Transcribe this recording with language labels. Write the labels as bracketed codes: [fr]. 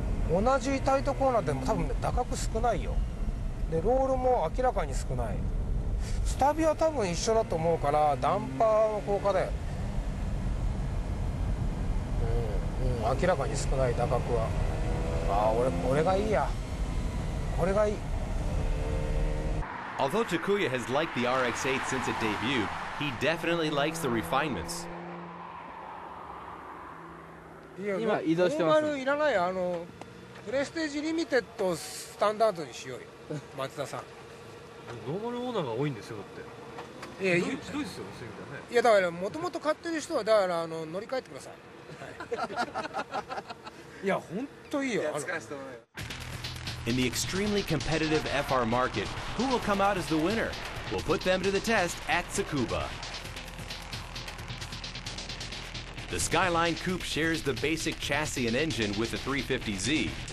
[ja] 同じタイトコーナーでも多分ね打角少ないよ。でロールも明らかに少ない。スタビは多分一緒だと思うからダンパーの効果で、明らかに少ない打角は。ああ俺これがいいや。これがいい。 [en] Although Takuya has liked the RX-8 since it debuted, he definitely likes the refinements. [ja] 今移動してます。いらない、あのプレステージリミテッドをスタンダードにしようよ。松田さん、ノーマルオーナーが多いんですよ。だっていや広いですよ、そういう意味だね。いやだからもともと買ってる人はだからあの乗り換えてください。いや本当いいよ。あの [en] In the extremely competitive FR market, who will come out as the winner? We'll put them to the test at Tsukuba. The Skyline Coupe shares the basic chassis and engine with the 350Z.